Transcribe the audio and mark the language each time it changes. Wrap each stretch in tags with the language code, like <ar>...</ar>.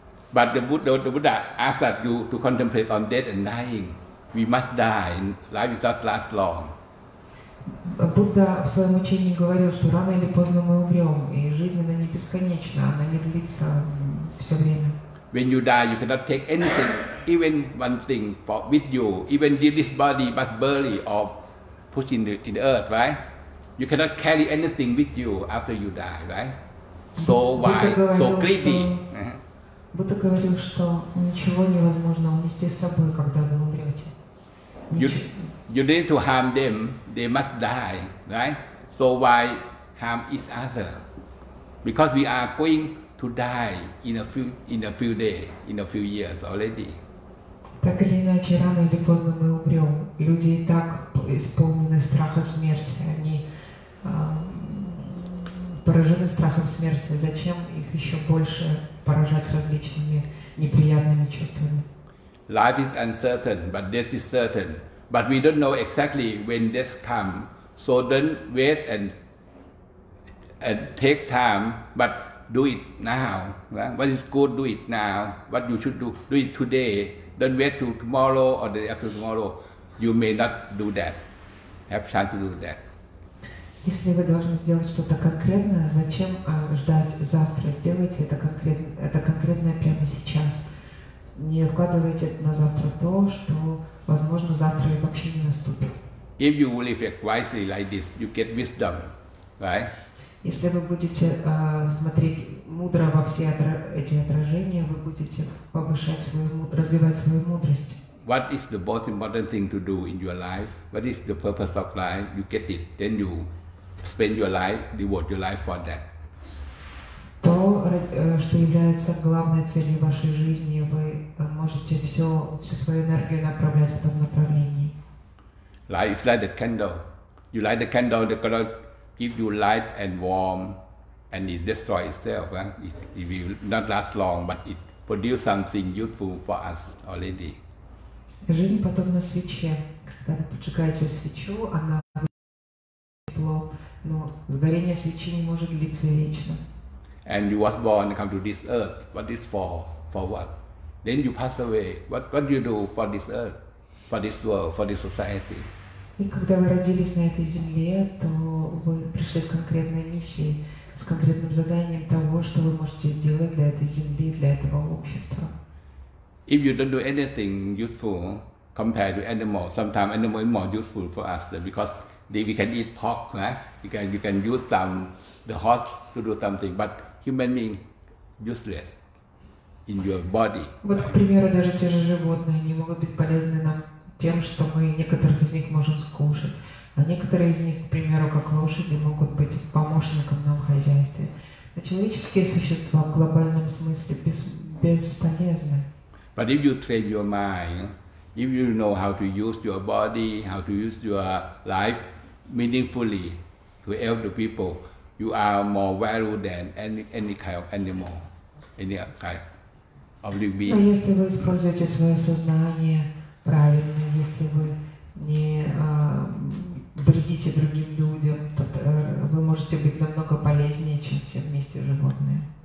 <en>But the Buddha asks that you to contemplate on death and dying. We must die. Life is not last long.</en> <ru>Buddha в своем учении говорил, что рано или поздно мы умрем, и жизнь она не бесконечна, она не длится все время.</ru> <en>When you die, you cannot take anything, even one thing, for with you. Even this body must bury or push in the earth, right? You cannot carry anything with you after you die, right? So why? So greedy.</en> <ru>Будто говорил, что ничего невозможно унести с собой, когда вы умрете.</ru> <en>You need to harm them, they must die, right? So why harm each other? Because we are going to die in a few days, in a few years already.</en> <ru>Так или иначе, рано или поздно мы умрем. Люди и так исполнены страха смерти. Они поражены страхом смерти. Зачем их еще больше поражать различными неприятными чувствами?</ru> <en>Life is uncertain, but death is certain. But we don't know exactly when death comes. So don't wait and take time, but do it now. What is good, do it now. What you should do it today. Don't wait till tomorrow or the day after tomorrow. You may not do that. Have chance to do that.</en> <ru>Если вы должны сделать что-то конкретное, зачем ждать завтра? Сделайте это конкретное прямо сейчас. Не откладывайте на завтра то, что, возможно, завтра вообще не наступит.</ru> <en>If you will live wisely like this, you get wisdom, right?</en> <ru>Если вы будете смотреть мудро во все эти отражения, вы будете повышать свою мудрость, развивать свою мудрость.</ru> <en>What is the most important thing to do in your life? What is the purpose of life? You get it, then you spend your life, devote your life for that.</en> <ru>То, что является главной целью вашей жизни, вы можете всю свою энергию направлять в том направлении.</ru> <en>Life is like the candle. You light the candle, the candle give you light and warm, and it destroys itself. It will not last long, but it produces something useful for us already.</en> <ru>Жизнь подобна свече. Когда вы поджигаете свечу, она выделяет тепло, но сгорение свечи не может длиться вечно.</ru> <en>And you was born, come to this earth. What is for? For what? Then you pass away. What do you do for this earth, for this world, for this society?</en> <ru>И когда вы родились на этой земле, то вы пришли с конкретной миссией, с конкретным заданием того, что вы можете сделать для этой земли, для этого общества.</ru> <en>If you don't do anything useful compared to animals, sometimes animals are more useful for us because we can eat pork, right? You can use the horse to do something, but human being useless in your body.</en> <ru>Вот, к примеру, даже те же животные не могут быть полезны нам тем, что мы некоторых из них можем скушать. А некоторые из них, к примеру, как лошади, могут быть помощником нам в хозяйстве. Но человеческие существа в глобальном смысле бесполезны.</ru> <en>But if you train your mind, if you know how to use your body, how to use your life meaningfully to help the people, you are more valuable than any kind of animal, any kind of living being.</en> <ru>Но если вы используете свое сознание правильно, если вы не вредите другим людям, то вы можете быть намного полезнее, чем все вместе животные.</ru>